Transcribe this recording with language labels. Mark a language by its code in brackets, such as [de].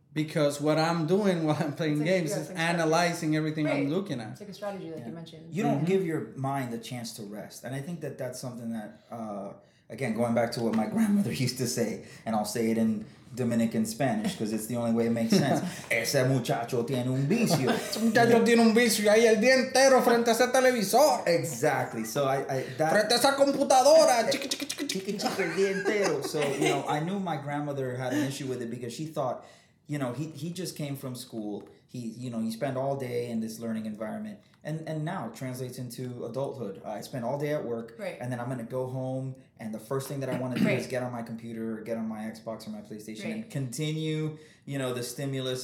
[en] Because what I'm doing while I'm playing games is analyzing everything I'm looking at. It's like a strategy, like you mentioned. You don't give your mind the chance to rest. And I think that that's something that, again, going back to what my grandmother used to say, and I'll say it in Dominican Spanish because it's the only way it makes sense. [es] Ese muchacho tiene un vicio. Ese muchacho tiene un vicio ahí el día entero frente a ese televisor. [en] Exactly. So I [es] that, frente a esa computadora. El día entero. [en] So, you know, I knew my grandmother had an issue with it because she thought, you know, he just came from school. He, you know, you spend all day in this learning environment. And now it translates into adulthood. I spend all day at work. Right. And then I'm going to go home. And the first thing that I want to do is get on my computer or get on my Xbox or my PlayStation and continue, you know, the stimulus.